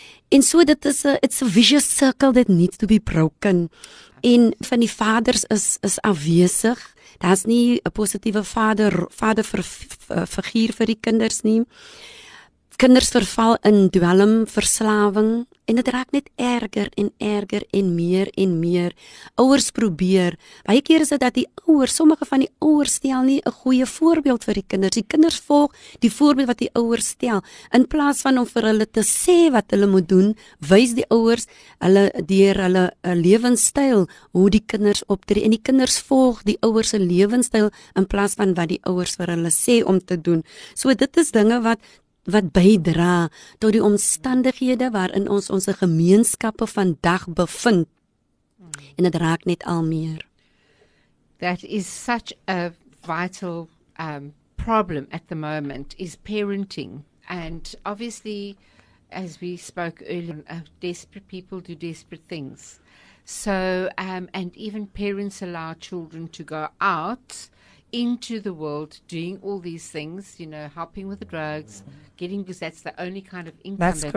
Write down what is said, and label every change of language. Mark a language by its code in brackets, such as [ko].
[af] En so dit is [en] it's a vicious circle that needs to be broken. [af] En van die vaders is afwesig. Daar's nie 'n positiewe vader figuur vir die kinders nie. Kinders verval in dwelmverslawing en dit raak net erger en erger en meer en meer. Ouers probeer. Baie keer is dit dat die ouers, sommige van die ouers stel nie 'n goeie voorbeeld vir die kinders. Die kinders volg die voorbeeld wat die ouers stel. In plaas van om vir hulle te sê wat hulle moet doen, wys die ouers hulle deur hulle lewenstyl hoe die kinders optree. En die kinders volg die ouers se lewenstyl in plaas van wat die ouers vir hulle sê om te doen. So dit is dinge wat bydra tot die omstandighede waarin ons gemeenskappe vandag bevind. En dit raak net al meer. [en] That is such a vital problem at the moment is parenting. And obviously, as we spoke earlier, desperate people do desperate things. So, and even parents allow children to go out into the world doing all these things, you know, helping with the drugs, getting, because that's the only kind of income that's